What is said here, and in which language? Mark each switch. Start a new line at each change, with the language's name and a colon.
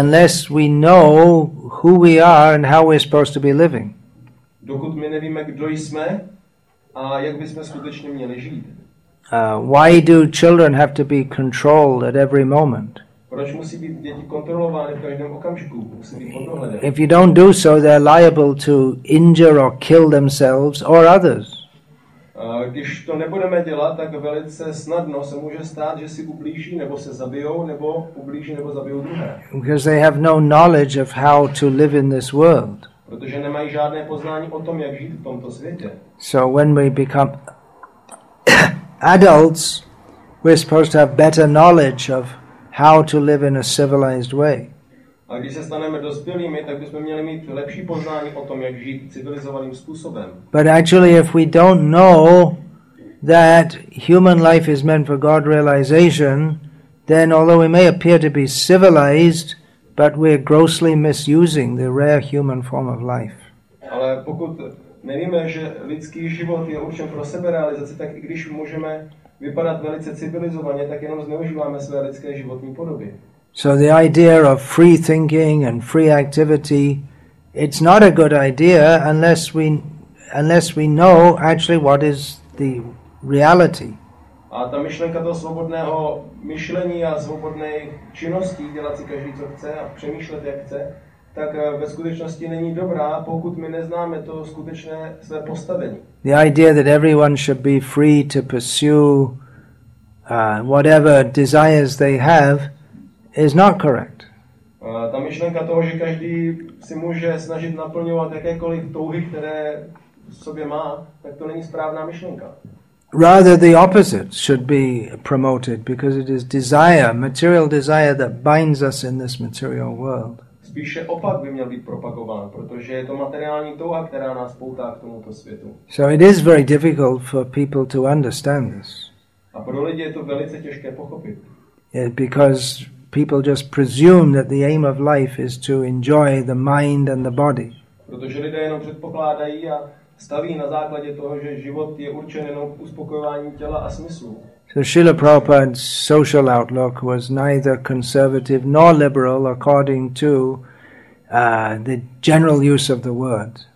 English: Unless we know who we are and how we're supposed to be living.
Czech: Dokud my nevíme, kdo jsme a jak bychom skutečně měli žít.
English: Why do children have to be controlled at every moment?
Czech: Proč musí být děti kontrolovány v každém okamžiku? Musí být pod dohledem.
English: If you don't do so, they're liable to injure or kill themselves or others.
Czech: Když to nebudeme dělat, tak velice snadno se může stát, že si ublíží nebo se zabijou, nebo ublíží nebo zabijou druhé.
English: Because they have no knowledge of how to live in this world.
Czech: Protože nemají žádné poznání o tom, jak žít v tomto světě.
English: So when we become adults, we're supposed to have better knowledge of how to live in a civilized way.
Czech: A když se staneme dospělými, tak bychom měli mít lepší poznání o tom, jak žít civilizovaným způsobem.
English: But actually, if we don't know that human life is meant for God realization, then although we may appear to be civilized, but we're grossly misusing the rare human form of life.
Czech: Ale pokud nevíme, že lidský život je určen pro seberealizaci, tak i když můžeme vypadat velice civilizovaně, tak jenom zneužíváme své lidské životní podoby.
English: So the idea of free thinking and free activity, it's not a good idea unless we know actually what is the reality.
Czech: A ta myšlenka toho svobodného myšlení a svobodné činnosti dělat si každý, co chce a přemýšlet, jak chce, tak ve skutečnosti není dobrá, pokud my neznáme to skutečné své postavení.
English: The idea that everyone should be free to pursue whatever desires they have is not correct.
Czech: Ta myšlenka toho, že každý si může snažit naplňovat jakékoliv touhy, které v sobě má, tak to není správná myšlenka.
English: Rather the opposite should be promoted, because it is desire, material desire, that binds us in this material world.
Czech: Spíše opak by měl být propagován, protože je to materiální touha, která nás poutá k tomuto světu.
English: So it is very difficult for people to understand this.
Czech: A pro lidi je to velice těžké pochopit.
English: Yeah, because people just presume that the aim of life is to enjoy the mind and the body.
Czech: Protože lidé jenom předpokládají a staví na základě toho, že život je určen jenom k uspokojování těla a smyslu.
English: So Srila Prabhupada's social outlook was neither conservative nor liberal according to the general use of the word.